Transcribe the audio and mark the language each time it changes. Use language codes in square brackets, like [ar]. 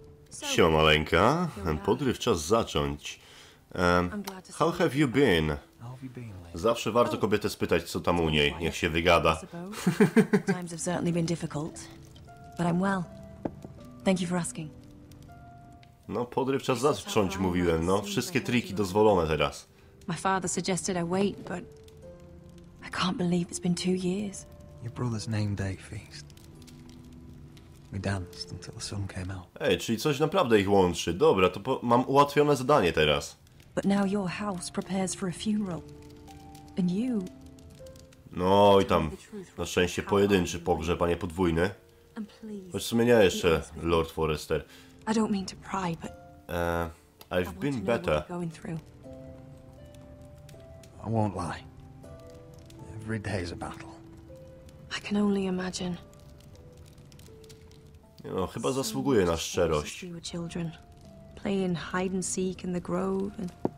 [pl] Siema maleńka, podryw, czas zacząć. [en] How have you been? [pl] Zawsze warto kobietę spytać, co tam u niej, jak się wygada. [en] Times have certainly been difficult, but I'm well. Thank you for asking. [pl] No, podryw, czas zacząć, mówiłem, no. Wszystkie triki dozwolone teraz. [en] My father suggested I wait, but I can't believe it's been 2 years. Your brother's name day feast. We danced until the sun came out. [pl] Ej, czyli coś naprawdę ich łączy. Dobra, to mam ułatwione zadanie teraz. [en] But now your house prepares for a funeral. And you... [pl] No i tam, na szczęście pojedynczy pogrzeb, a nie podwójny. Choć w sumie nie jeszcze, Lord Forrester. [en] I don't mean to pry, but... I've been better. I won't lie. Every day is a battle. I can only imagine. [pl] No, chyba zasługuje na szczerość. [en] Playing hide and seek in the grove and...